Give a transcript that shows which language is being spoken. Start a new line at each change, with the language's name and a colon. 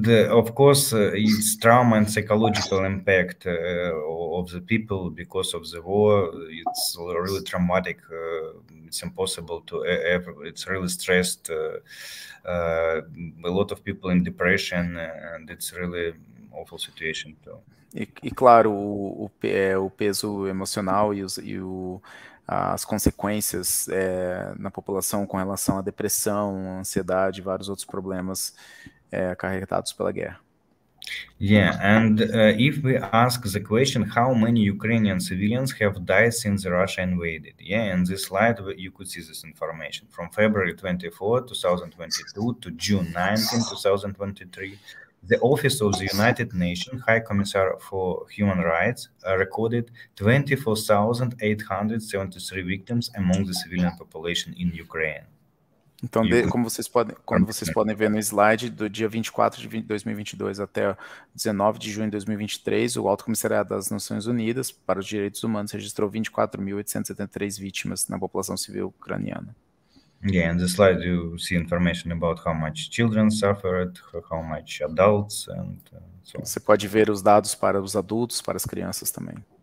English: Of course, it's trauma and psychological impact of the people because of the war. It's really traumatic. It's impossible to ever. It's really stressed. A lot of people in depression, and it's really awful situation too.
Portuguese: E claro, o peso emocional as consequências na população com relação à depressão, ansiedade, vários outros problemas acarretados pela guerra.
English: Yeah, and if we ask the question, how many Ukrainian civilians have died since Russia invaded? Yeah, in this slide you could see this information. From February 24, 2022 to June 19, 2023, the Office of the United Nations High Commissar for Human Rights recorded 24,873 victims among the civilian population in Ukraine.
Portuguese: Então, como vocês podem ver no slide, do dia 24 de 2022 até 19 de junho de 2023, o Alto Comissariado das Nações Unidas para os Direitos Humanos registrou 24.873 vítimas na população civil ucraniana.
English: Yeah, in the slide you see information about how much children suffered, how much adults, and so
Portuguese: on. Você pode ver os dados para os adultos, para as crianças também.